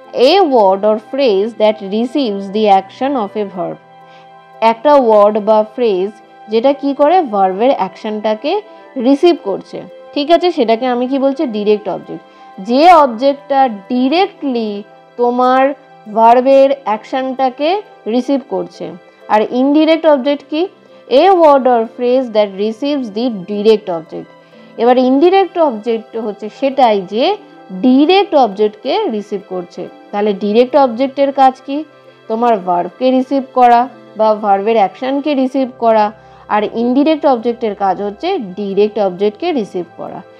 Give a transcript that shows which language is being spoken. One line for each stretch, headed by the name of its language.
English: a word or phrase that receives the action of a verb,
Bangla: একটা word বা phrase যেটা কি করে ভার্বের অ্যাকশনটাকে রিসিভ করছে, ঠিক আছে, সেটাকে আমি কি বলছি? Direct object. যে অবজেক্টটা ডিরেক্টলি তোমার ভার্বের অ্যাকশনটাকে রিসিভ করছে। আর ইনডিরেক্ট অবজেক্ট কি?
English: a word or phrase that receives the direct object.
Bangla: এবার ইনডিরেক্ট অবজেক্ট হচ্ছে সেটাই যে ডিরেক্ট অবজেক্টকে রিসিভ করছে। তাহলে ডিরেক্ট অবজেক্টের কাজ কি? তোমার ভার্বকে রিসিভ করা বা ভার্বের অ্যাকশনকে রিসিভ করা, আর ইনডিরেক্ট অবজেক্টের কাজ হচ্ছে ডিরেক্ট অবজেক্টকে রিসিভ করা।